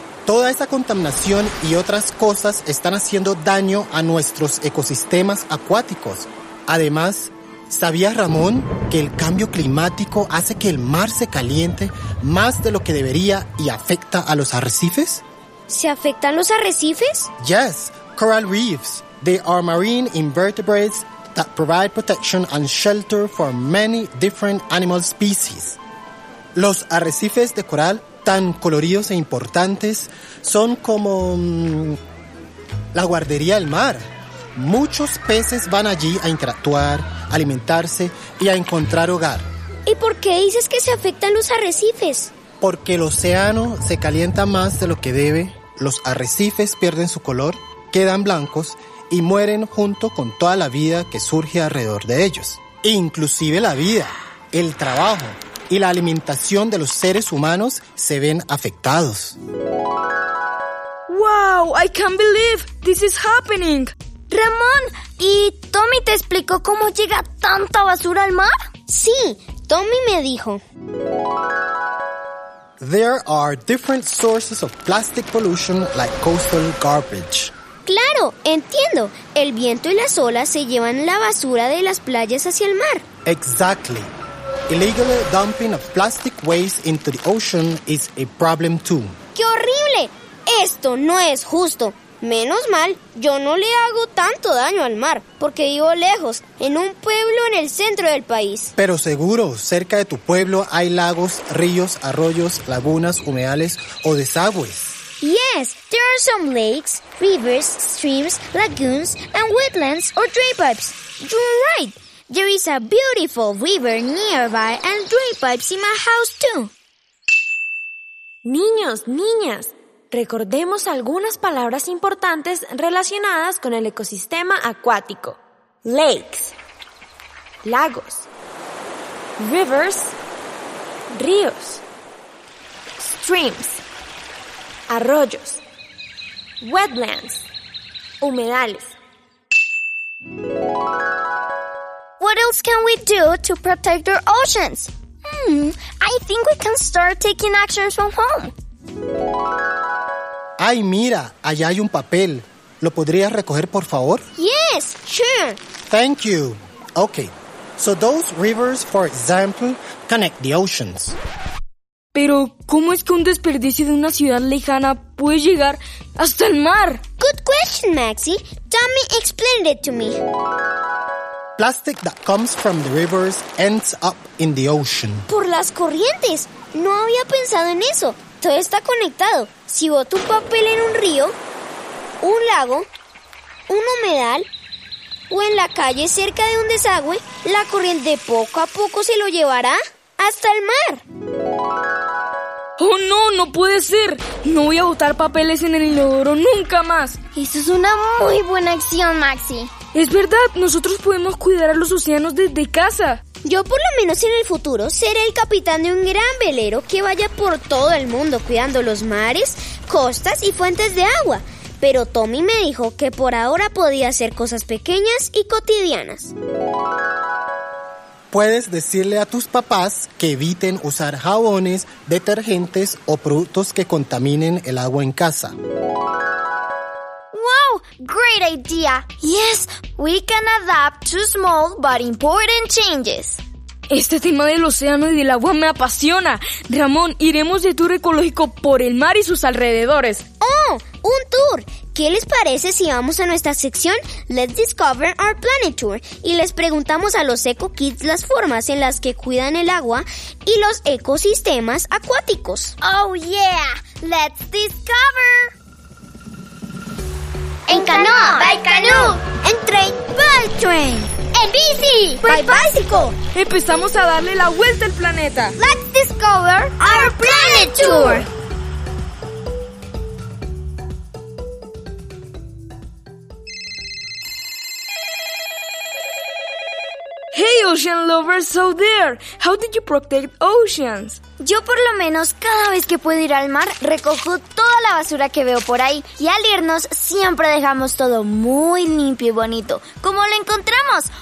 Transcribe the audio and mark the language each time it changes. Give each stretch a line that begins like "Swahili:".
Spanish: Toda esa contaminación y otras cosas están haciendo daño a nuestros ecosistemas acuáticos. Además, ¿sabías, Ramón, que el cambio climático hace que el mar se caliente más de lo que debería y afecta a los arrecifes? ¿Se afectan los arrecifes?
English: Yes, coral reefs. They are marine invertebrates that provide protection and shelter for many different animal species.
Spanish: Los arrecifes de coral, tan coloridos e importantes, son como la guardería del mar. Muchos peces van allí a interactuar, alimentarse y a encontrar hogar. ¿Y por qué dices que se afectan los arrecifes? Porque el océano se calienta más de lo que debe, los arrecifes pierden su color, quedan blancos y mueren junto con toda la vida que surge alrededor de ellos. Inclusive la vida, el trabajo y la alimentación de los seres humanos se ven afectados.
English: ¡Wow! I can't believe this is happening.
Spanish: Ramón, ¿y Tommy te explicó cómo llega tanta basura al mar? Sí, Tommy me dijo.
English: There are different sources of plastic pollution like coastal garbage.
Spanish: Claro, entiendo. El viento y las olas se llevan la basura de las playas hacia el mar.
English: Exactly. Illegal dumping of plastic waste into the ocean is a problem too.
Spanish: ¡Qué horrible! Esto no es justo. Menos mal, yo no le hago tanto daño al mar, porque vivo lejos, en un pueblo en el centro del país. Pero seguro, cerca de tu pueblo hay lagos, ríos, arroyos, lagunas, humedales o desagües.
English: Yes, there are some lakes, rivers, streams, lagoons, and wetlands or drain pipes. You're right. There is a beautiful river nearby and drain pipes in my house too.
Spanish: Niños, niñas, recordemos algunas palabras importantes relacionadas con el ecosistema acuático.
English: Lakes, lagos, rivers, ríos, streams, arroyos, wetlands, humedales. What else can we do to protect our oceans? I think we can start taking actions from home.
Spanish: ¡Ay, mira! Allá hay un papel. ¿Lo podrías recoger, por favor?
English: Yes, sure. Thank you. Okay, so those rivers, for example, connect the oceans.
Spanish: Pero, ¿cómo es que un desperdicio de una ciudad lejana puede llegar hasta el mar?
English: Good question, Maxi. Tommy explained it to me. Plastic that comes from the rivers ends up in the ocean.
Spanish: ¡Por las corrientes! No había pensado en eso. Todo está conectado. Si boto un papel en un río, un lago, un humedal o en la calle cerca de un desagüe, la corriente poco a poco se lo llevará hasta el mar. ¡Oh, no! ¡No puede ser! ¡No voy a botar papeles en el inodoro nunca más! ¡Eso es una muy buena acción, Maxi! ¡Es verdad! ¡Nosotros podemos cuidar a los océanos desde casa! Yo, por lo menos en el futuro, seré el capitán de un gran velero que vaya por todo el mundo cuidando los mares, costas y fuentes de agua. Pero Tommy me dijo que por ahora podía hacer cosas pequeñas y cotidianas. Puedes decirle a tus papás que eviten usar jabones, detergentes o productos que contaminen el agua en casa.
English: ¡Wow! ¡Great! great idea. Yes, we can adapt to small but important changes.
Spanish: Este tema del océano y del agua me apasiona. Ramón, iremos de tour ecológico por el mar y sus alrededores. ¡Oh, un tour! ¿Qué les parece si vamos a nuestra sección Let's Discover Our Planet Tour y les preguntamos a los Eco Kids las formas en las que cuidan el agua y los ecosistemas acuáticos?
English: ¡Oh, yeah! ¡Let's Discover!
Spanish: En canoa,
English: by canoe.
Spanish: En train,
English: by train.
Spanish: En bici,
English: by bicycle.
Spanish: Empezamos a darle la vuelta al planeta.
English: Let's Discover Our Planet Tour. Hey, ocean lovers out there, how did you protect oceans?
Spanish: Yo por lo menos cada vez que puedo ir al mar recojo toda la basura que veo por ahí. Y al irnos siempre dejamos todo muy limpio y bonito, como lo encontramos.